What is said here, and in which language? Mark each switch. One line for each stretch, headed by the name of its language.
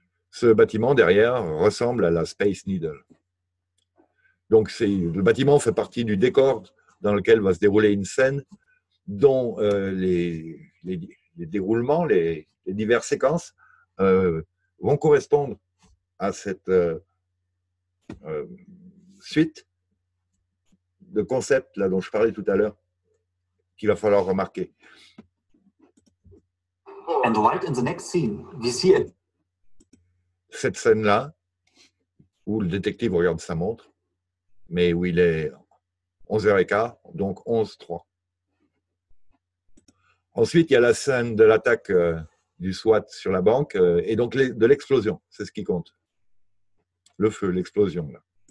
French: Ce bâtiment derrière ressemble à la Space Needle. Donc le bâtiment fait partie du décor dans lequel va se dérouler une scène dont les déroulements, les diverses séquences vont correspondre à cette... suite de concept là dont je parlais tout à l'heure qu'il va falloir remarquer.
English: And right in the next scene, we see it.
French: Cette scène là où le détective regarde sa montre, mais où il est 11h15, donc 11h03. Ensuite, il y a la scène de l'attaque du SWAT sur la banque et donc de l'explosion, c'est ce qui compte. Le feu, l'explosion. Là.